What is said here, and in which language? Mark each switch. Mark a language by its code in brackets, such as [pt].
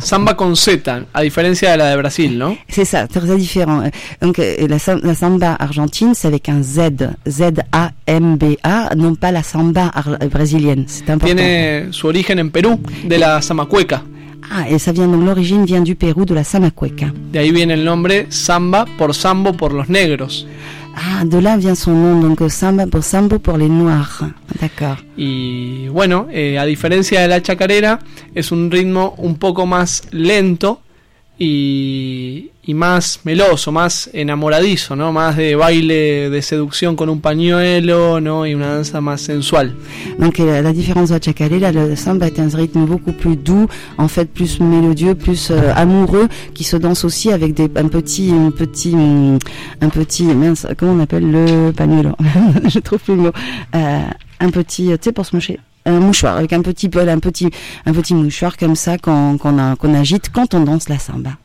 [es] Samba con Z, a diferencia de la de Brasil, ¿no? [fr] C'est ça, très différent. Donc la samba argentine, c'est avec un Z, Z-A-M-B-A, non pas la samba brésilienne. C'est important. [es] Tiene su origen en Perú, de la zamacueca. [fr] Ah, et ça vient, donc l'origine vient du Pérou, de la zamacueca. [es] De ahí viene el nombre samba por sambo por los negros. [fr] Ah, de là vient son nom, donc Sambo pour les Noirs, d'accord. [es] Y bueno, a diferencia de la chacarera, es un ritmo un poco más lento, y más meloso, más enamoradizo, ¿no? Más de baile de seducción con un pañuelo, ¿no? Y una danza más sensual. [fr] Donc la différence de Chacarera, le samba est un rythme beaucoup plus doux, en fait plus mélodieux, plus amoureux, qui se danse aussi avec des un petit mince, comment on appelle le pañuelo. Je trouve plus le mot. Un petit, tu sais, pour se moucher. Un mouchoir, avec un petit mouchoir comme ça qu'on agite quand on danse la samba.